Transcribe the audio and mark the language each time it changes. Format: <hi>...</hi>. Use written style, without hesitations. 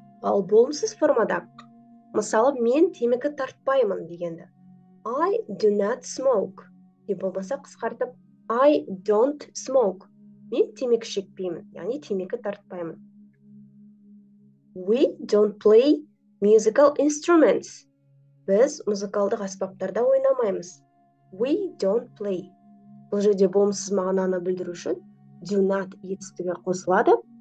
<kk>Ал болымсыз формада, мысалы, мен темекі тартпаймын дегенді.</kk> <en>I do not smoke. Не болмаса қысқартып, I don't smoke.</en> <kk>Мен темекі шекпеймін, яғни темекі тартпаймын.</kk> <en>We don't play musical instruments.</en> <kk>Біз музыкалдық аспаптарда ойнамаймыз.</kk> <en>We don't play.</en> <kk>Бұл жерде болымсыз мағынаны білдіру үшін do not етістігі қосылады.</kk>